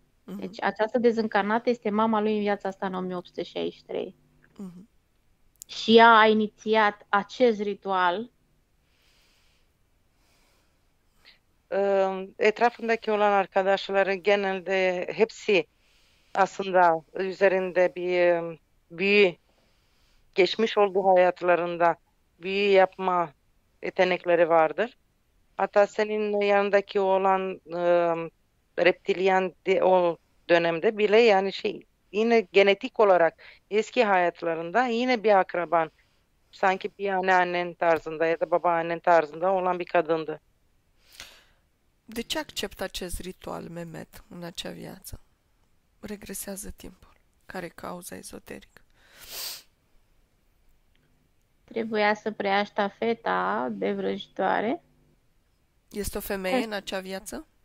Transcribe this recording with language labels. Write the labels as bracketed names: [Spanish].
[Romanian] Deci această dezîncarnată este mama lui în viața asta în 1863. Și ea a inițiat acest ritual. [Turkish] Etrafındaki olan arkadaşları genelde hepsi aslında üzerinde bir büyü, geçmiş olduğu hayatlarında büyü yapma yetenekleri vardır. Hatta senin yanındaki olan reptilyen o dönemde bile, yani yine genetik olarak eski hayatlarında yine bir akraban, sanki bir anneannen tarzında ya da babaannen tarzında olan bir kadındı. [Romanian] De ce acceptă acest ritual, Mehmet, în acea viață? Regresează timpul. Care e cauza ezoterică? Trebuia să preia ștafeta de vrăjitoare. Este o femeie în acea viață?